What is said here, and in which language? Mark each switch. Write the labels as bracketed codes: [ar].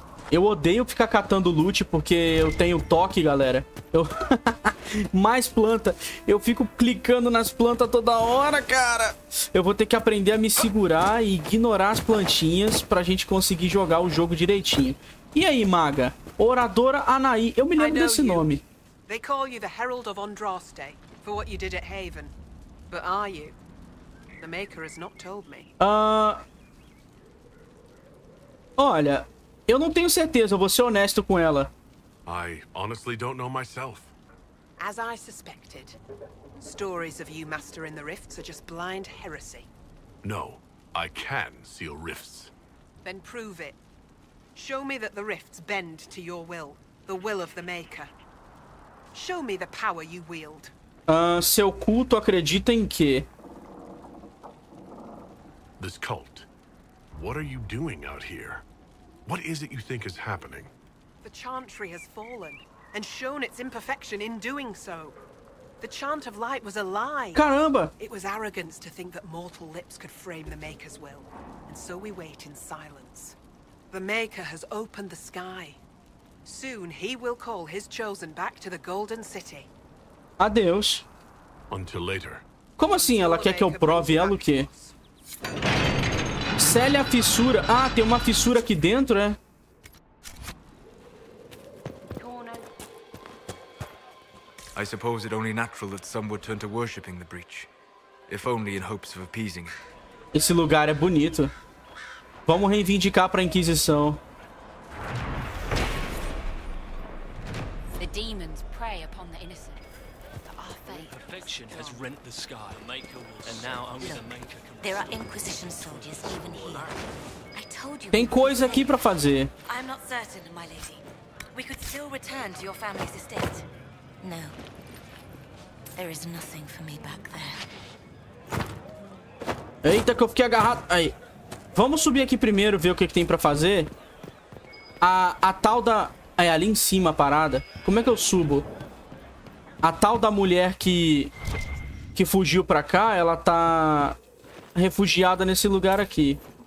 [pt] Eu odeio ficar catando loot porque eu tenho toque, galera. Eu... Mais planta. Eu fico clicando nas plantas toda hora, cara. Eu vou ter que aprender a me segurar e ignorar as plantinhas pra gente conseguir jogar o jogo direitinho. E aí, maga? Oradora Anaí. Eu me lembro desse nome. [en] They call you the Herald of Andraste for what you did at Haven. But are you? The Maker has not told me. [pt] Olha, eu não tenho certeza, eu vou ser honesto com ela. [en] I honestly don't know myself. As I suspected, stories of you mastering the rifts are just blind heresy. No, I can seal rifts. Then prove it. Show me that the rifts bend to your will, the will of the Maker. Show me the power you wield. [pt] Seu culto acredita em quê? [en] This cult. What are you doing out here? What is it you think is happening? The Chantry has fallen and shown its imperfection in doing so. The Chant of Light was a lie. [pt] Caramba! [en] It was arrogance to think that mortal lips could frame the Maker's will. And so we wait in silence. The Maker has opened the sky. Soon he will call his chosen back to the Golden City. [pt] Adeus. [en] Until later. [pt] Como assim ela quer que eu prove ela o quê? Sele a fissura. Ah, tem uma fissura aqui dentro, é? [en] I suppose it only natural that some would turn to worshiping the breach, if only in hopes of appeasing. [pt] Esse lugar é bonito. Vamos reivindicar para a Inquisição. [en] The demons prey upon the innocent. Perfection has rent the sky. Maker will and now only the Maker. There are Inquisition soldiers even here. I told you. [pt] Tem coisa aqui para fazer. [en] I'm not certain, my lady. We could still return to your family's estate. No. There is nothing for me back there. [pt] Eita, que eu fiquei agarrado. Aí. Vamos subir aqui primeiro, ver o que, que tem para fazer. A tal da... É ali em cima a parada. Como é que eu subo? A tal da mulher que fugiu pra cá, ela tá refugiada nesse lugar aqui.